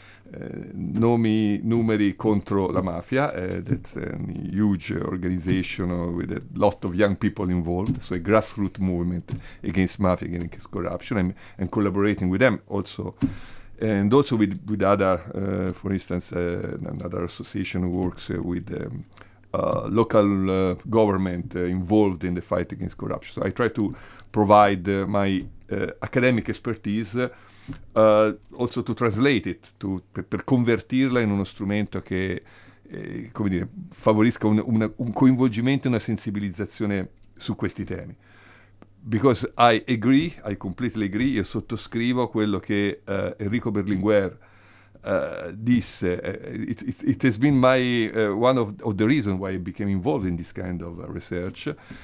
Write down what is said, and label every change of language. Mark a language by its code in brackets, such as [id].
[en] Numeri contro la mafia, that's a huge organization with a lot of young people involved, so a grassroots movement against mafia, against corruption, and collaborating with them also. And also with other, for instance, another association who works with local government involved in the fight against corruption. So I try to provide my academic expertise also to translate it, [it] per convertirla in uno strumento che, come dire, favorisca un coinvolgimento e una sensibilizzazione su questi temi. [en] Because I completely agree, [it] io sottoscrivo quello che Enrico Berlinguer disse. [en] It has been one of the reasons why I became involved in this kind of research.